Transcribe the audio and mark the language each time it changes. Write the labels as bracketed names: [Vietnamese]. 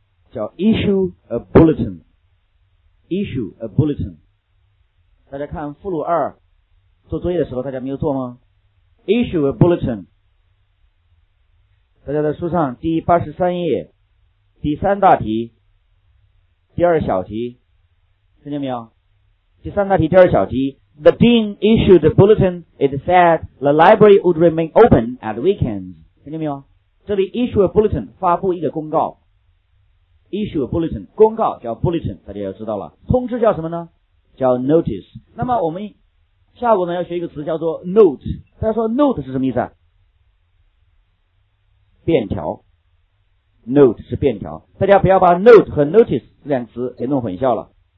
[Chinese] 叫 [English] issue a bulletin， issue a bulletin。 [Chinese] 大家看附录二做作业的时候大家没有做吗？ [English] issue a bulletin， [Chinese] 大家在书上第83页第三大题第二小题，听见没有？第三大题第二小题， [English] the dean issued the bulletin， it said the library would remain open at weekends， [Chinese] 听见没有？这里 [English] issue a bulletin [Chinese] 发布一个公告，issue a bulletin， 公告叫 bulletin， 大家要知道了。通知叫什么呢？叫 notice。那么我们下午呢要学一个词叫做 note， 大家说 note 是什么意思啊？便条， note 是便条，大家不要把 note 和 notice 这两个词给弄混淆了。